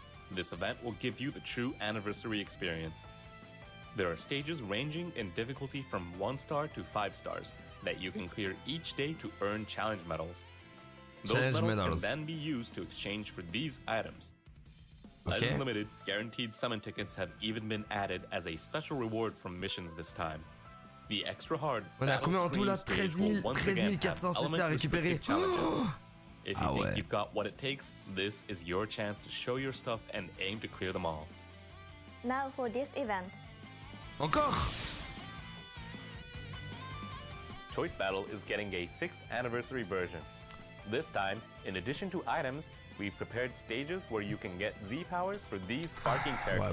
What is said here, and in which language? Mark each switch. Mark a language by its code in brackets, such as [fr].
[en] This event will give you the true anniversary experience. There are stages ranging in difficulty from 1 star to 5 stars that you can clear each day to earn challenge medals. Those medals can then be used to exchange for these items. Okay. Legend Limited guaranteed summon tickets have even been added as a special reward from missions this time. The extra hard [fr] on a combien en tout là 13 400 c'est ça à récupérer. [en] If you think you've got what it takes, this is your chance to show your stuff and aim to clear them all. Now for this event. [fr] Encore. [en] Choice Battle is getting a 6th anniversary version. This time, in addition to items, we've prepared stages where you can get Z powers for these sparking characters.